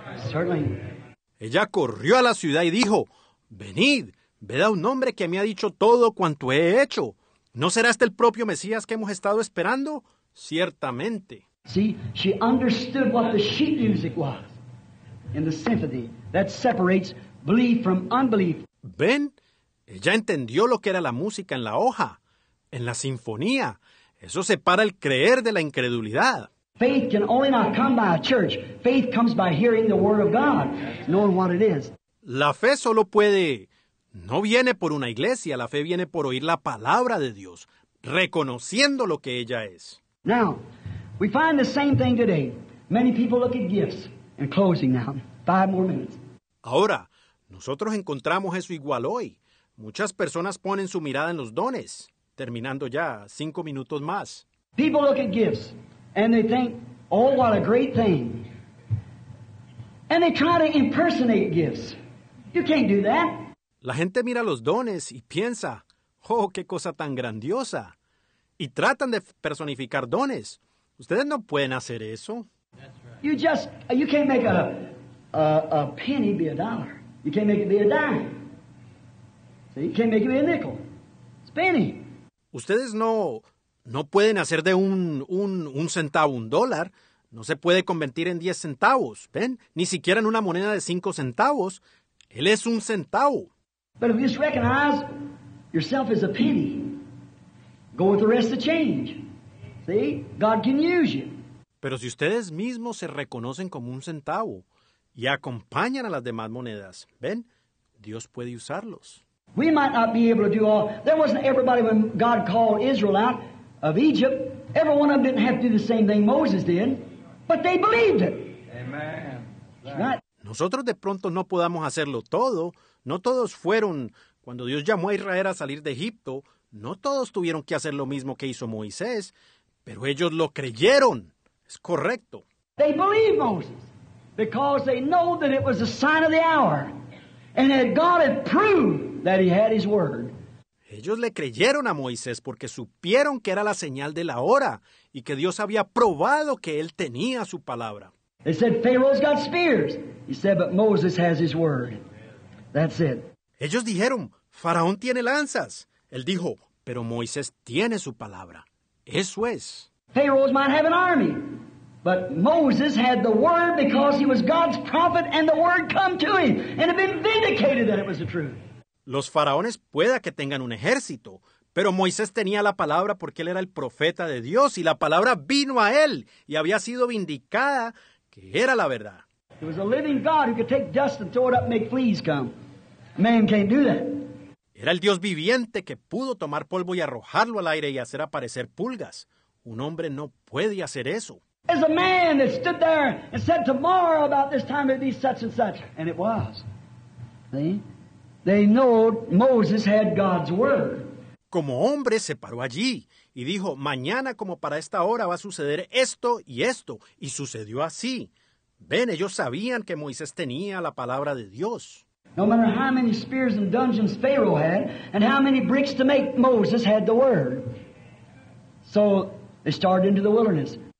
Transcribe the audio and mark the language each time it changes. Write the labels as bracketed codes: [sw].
[en] Certainly. [es] Ella corrió a la ciudad y dijo, venid, ved a un hombre que me ha dicho todo cuanto he hecho. ¿No será este el propio Mesías que hemos estado esperando? Ciertamente. [en] See, she understood what the sheet music was. In the sympathy that separates belief from unbelief. [es] Ben, ella entendió lo que era la música en la hoja, en la sinfonía. Eso separa el creer de la incredulidad. [en] Faith can only not come by a church. Faith comes by hearing the word of God, knowing what it is. [es] La fe solo puede, no viene por una iglesia. La fe viene por oír la palabra de Dios, reconociendo lo que ella es. [en] Now, we find the same thing today. Many people look at gifts. And closing now. Five more minutes. [es] Ahora, nosotros encontramos eso igual hoy. Muchas personas ponen su mirada en los dones. Terminando ya, cinco minutos más. [en] People look at gifts and they think, oh, what a great thing. And they try to impersonate gifts. You can't do that. [es] La gente mira los dones y piensa, oh, qué cosa tan grandiosa. Y tratan de personificar dones. Ustedes no pueden hacer eso. [en] You can't make a penny be a dollar. You can't make it be a dime. So you can't make it be a nickel. It's a penny. [es] Ustedes no pueden hacer de un centavo un dólar. No se puede convertir en 10 centavos, ¿ven? Ni siquiera en una moneda de 5 centavos. Él es un centavo. [en] But if you just recognize yourself as a penny, go with the rest of the change. See? God can use you. [es] Pero si ustedes mismos se reconocen como un centavo y acompañan a las demás monedas, ¿ven? Dios puede usarlos. [en] We might not be able to do all. There wasn't everybody when God called Israel out of Egypt. Every one of them didn't have to do the same thing Moses did. But they believed it. Amen. Right. [es] Nosotros de pronto no podamos hacerlo todo. No todos fueron, cuando Dios llamó a Israel a salir de Egipto, no todos tuvieron que hacer lo mismo que hizo Moisés. Pero ellos lo creyeron. Es correcto. [en] They believed Moses because they know that it was a sign of the hour and that God had proved that he had his word. [es] Ellos le creyeron a Moisés porque supieron que era la señal de la hora y que Dios había probado que él tenía su palabra. [en] They said, Pharaoh's got spears. He said, but Moses has his word. That's it. [es] Ellos dijeron, Faraón tiene lanzas. Él dijo, pero Moisés tiene su palabra. Eso es. [en] Pharaohs might have an army, but Moses had the word because he was God's prophet and the word come to him and had been vindicated that it was the truth. [es] Los faraones pueda que tengan un ejército, pero Moisés tenía la palabra porque él era el profeta de Dios y la palabra vino a él y había sido vindicada que era la verdad. [en] There was a living God who could take dust and throw it up and make fleas come. Man can't do that. [es] Era el Dios viviente que pudo tomar polvo y arrojarlo al aire y hacer aparecer pulgas. Un hombre no puede hacer eso. [en] There's a man that stood there and said, tomorrow about this time it'd be such and such. And it was. See? They know Moses had God's word. [es] Como hombre se paró allí y dijo, mañana como para esta hora va a suceder esto y esto. Y sucedió así. Ven, ellos sabían que Moisés tenía la palabra de Dios. [en] No matter how many spears and dungeons Pharaoh had and how many bricks to make, Moses had the word. So, they started into the wilderness.